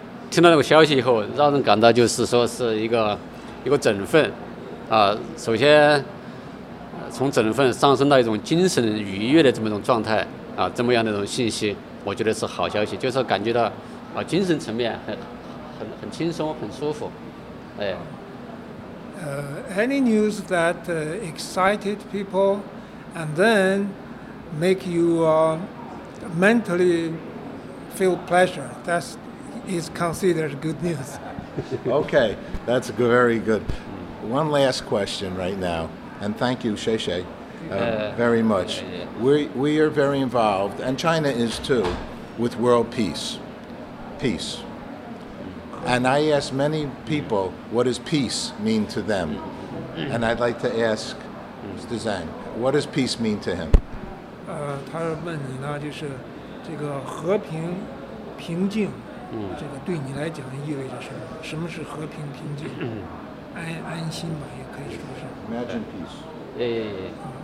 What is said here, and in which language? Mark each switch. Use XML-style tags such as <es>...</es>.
<zh>听到那个消息以后，让人感到就是说是一个振奋，啊，首先从振奋上升到一种精神愉悦的这么一种状态，啊，这么样的一种信息，我觉得是好消息，就是感觉到啊，精神层面很轻松，很舒服，哎。</zh> <en>Any news that excited people and then make you mentally feel pleasure, that's is considered good news. Okay, that's very good. One last question right now, and thank you, Xie Xie, very much. We are very involved, and China is too, with world peace. And I ask many people, what does peace mean to them? And I'd like to ask Mr. Zhang, what does peace mean to him?</en> <zh>他问你呢，就是这个和平、平静，这个对你来讲意味着什么？什么是和平、平静、安心吧，也可以说是。</zh> <en>Imagine peace.</en>